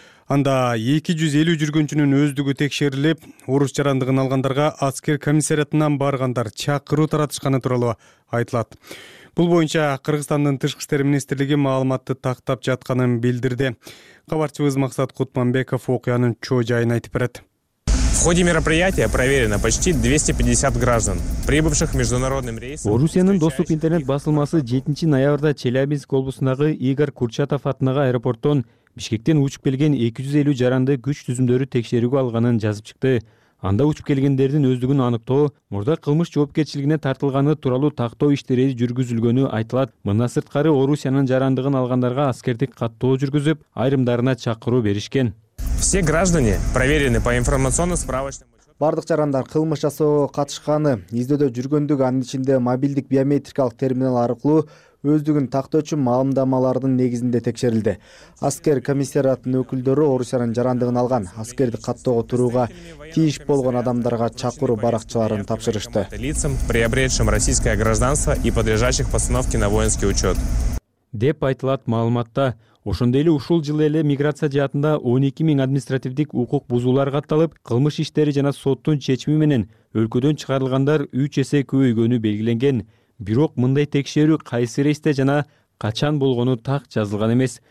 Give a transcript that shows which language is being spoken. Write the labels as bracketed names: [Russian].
[Kyrgyz] Анда 250 жүргүнчүнүн өздүгү текшерилип, орус жарандыгын алгандарга аскер комиссариатынан баргандар чакыруу таратышканы тууралуу айтылат. Бул боюнча Кыргызстандын тышкы иштер министрлиги маалыматты тактап жатканын билдирди. Кабарчыбыз Максат Кутманбеков окуянын чоо жайын айтып берет. [Russian] В ходе мероприятия проверено почти 250 граждан, прибывших международным рейсом. [Kyrgyz] Орусиянын Доступ интернет басылмасы 7 ноябрда Челябинск облусундагы Игорь Курчатов атындагы аэропорттон Бишкектен учуп келген 250 жаранды күч түзүмдөрү текшерүүгө алганын жазып чыкты. Анда учуп келгендердин өздүгүн аныктоо, мурда кылмыш жоопкерчилигине тартылганы тууралуу тактоо иштери жүргүзүлгөнү айтылат. Мындан сырткары Орусиянын жарандыгын алгандарга аскердик каттоо жүргүзүп, айрымдарына чакыруу беришкен. [Russian] Все граждане проверены по информационно-справочному. [Kyrgyz] Бардык жарандар кылмыш жасоого катышканы, издөөдө жүргөндүгү, анын ичинде мобилдик биометрикалык терминал аркылуу өздүгүн тактоочу маалымдамалардын негизинде текшерилди. Аскер комиссариатынын өкүлдөрү Орусиянын жарандыгын алган, аскерди каттоого турууга тийиш болгон адамдарга чакыруу баракчаларын тапшырышты. [Russian] Лицам, приобретшим российское гражданство и подлежащих постановке на воинский учет. [Kyrgyz] Деп айтылат маалыматта. Ошондой эле ушул жылы эле миграция жаатында 12,000 административдик укук бузуулар катталып, кылмыш иштери жана соттун чечими менен өлкөдөн чыгарылгандар 3 эсе көбөйгөнү белгиленген. Бирок мындай текшерүү кайсы рейсте жана качан болгону так жазылган эмес.